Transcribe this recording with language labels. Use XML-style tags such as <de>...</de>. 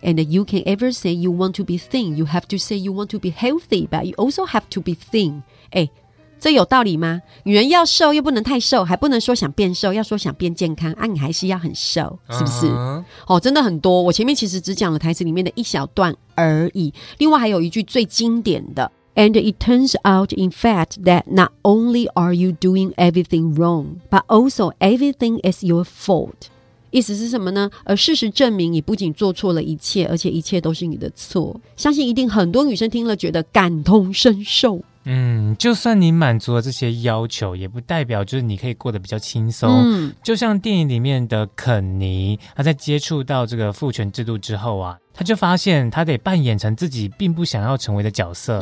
<en>And you can ever say you want to be thin. You have to say you want to be healthy, but you also have to be thin.</en> <zh>诶，这有道理吗？女人要瘦又不能太瘦，还不能说想变瘦，要说想变健康啊，你还是要很瘦，是不是？哦，真的很多。我前面其实只讲了台词里面的一小段而已。另外还有一句最经典的。</zh> <en>And it turns out, in fact, that not only are you doing everything wrong, but also everything is your fault.</en> <zh>意思是什么呢？事实证明你不仅做错了一切，而且一切都是你的错。相信一定很多女生听了觉得感同身受。嗯，就算你满足了这些要求，也不代表就是你可以过得比较轻松。嗯，就像电影里面的肯尼，他在接触到这个父权制度之后啊，他就发现他得扮演成自己并不想要成为的角色。</zh>